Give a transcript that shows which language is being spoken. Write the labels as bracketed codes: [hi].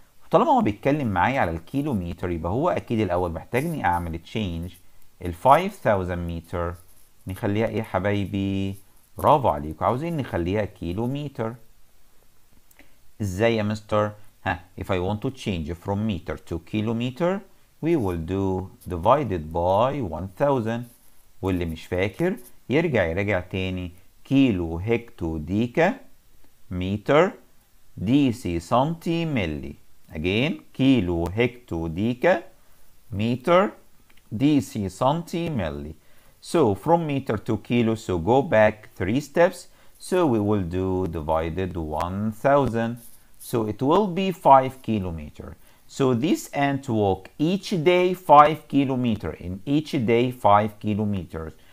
[ar] طالما هو بيتكلم معي على الكيلومتر يبقى هو اكيد الاول محتاجني اعمل change ال 5,000 meter نخليها ايه حبايبي؟ برافو عليكم، عاوزين نخليها كيلومتر. ازاي يا مستر؟ [en] If I want to change from meter to kilometer, we will do divided by 1000. [ar] واللي مش فاكر يرجع يراجع تاني. كيلو هكتو ديكا متر ديسي سنتي ملي. Again, كيلو هكتو ديكا متر ديسي سنتي ملي. [en] So from meter to kilo, so go back 3 steps. So we will do divided 1000. So it will be 5 kilometer. So this ant walk each day 5 kilometer. In each day 5 kilometers.